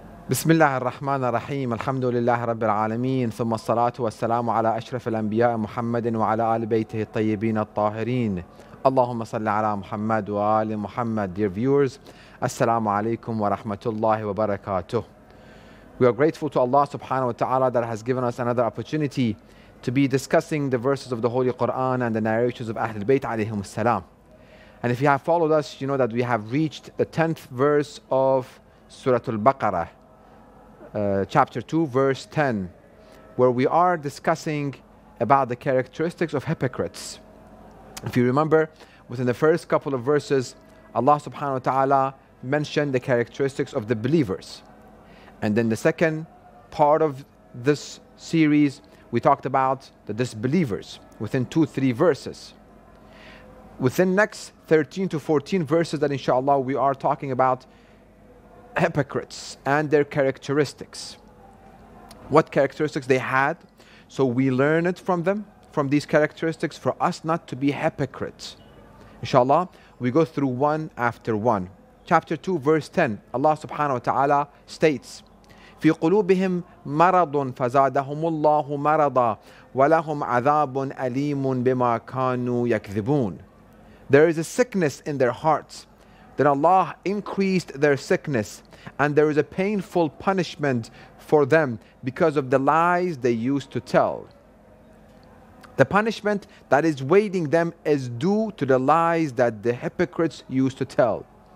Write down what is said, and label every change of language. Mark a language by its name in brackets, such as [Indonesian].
[Arabic] بسم الله الرحمن الرحيم الحمد لله رب العالمين ثم الصلاة والسلام على أشرف الأنبياء محمد وعلى آل بيته الطيبين الطاهرين اللهم صل على محمد وآل محمد. [English] Dear viewers, assalamu alaikum wa rahmatullahi wa barakatuh. We are grateful to Allah subhanahu wa ta'ala that has given us another opportunity to be discussing the verses of the Holy Quran and the narrations of Ahlul Bayt alayhim salam. And if you have followed us, you know that we have reached the 10th verse of Surah Al-Baqarah, chapter 2, verse 10, where we are discussing about the characteristics of hypocrites. If you remember, within the first couple of verses, Allah subhanahu wa ta'ala mentioned the characteristics of the believers. And then the second part of this series, we talked about the disbelievers within 2-3 verses. Within next 13 to 14 verses, that inshallah we are talking about hypocrites and their characteristics. What characteristics they had. So we learn it from them, from these characteristics, for us not to be hypocrites. Inshallah, we go through one after one. Chapter 2, verse 10, Allah subhanahu wa ta'ala states, [Arabic] في قلوبهم مرض فزادهم الله مرضا ولهم عذاب أليم بما كانوا يكذبون. [English] There is a sickness in their hearts. Then Allah increased their sickness, and there is a painful punishment for them because of the lies they used to tell. The punishment that is waiting them is due to the lies that the hypocrites used to tell.